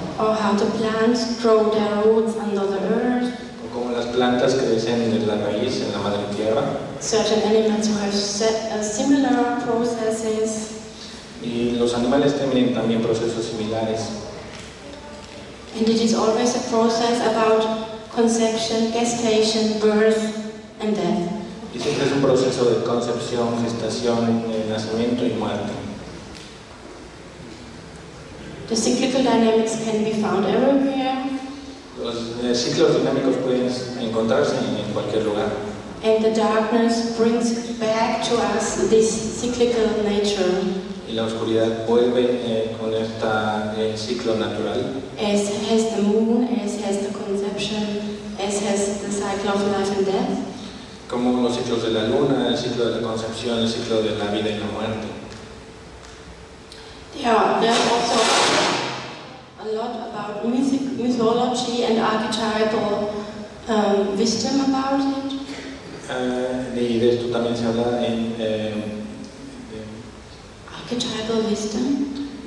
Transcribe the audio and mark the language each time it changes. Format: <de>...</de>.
<en>Or how the plants grow their roots under the earth.</en> <es>O como las plantas crecen de la raíz en la madre tierra.</es> <en>Certain animals who have similar processes.</en> <es>Y los animales tienen también procesos similares.</es> <en>And it is always a process about conception, gestation, birth, and death.</en> <es>Y siempre es un proceso de concepción, gestación, nacimiento y muerte.</es> <en>The cyclical dynamics can be found everywhere.</en> <es>Los ciclos dinámicos pueden encontrarse en cualquier lugar.</es> <en>And the darkness brings back to us this cyclical nature.</en> <es>Y la oscuridad vuelve con este ciclo natural.</es> <en>As has the moon, as has the conception, as has the cycle of life and death.</en> <es>Como los ciclos de la luna, el ciclo de la concepción, el ciclo de la vida y la muerte.</es> <en>There are also a lot about mythology and archetypal wisdom about it.</en> <es>Y de esto también se habla en</es> <en>archetypal wisdom.</en>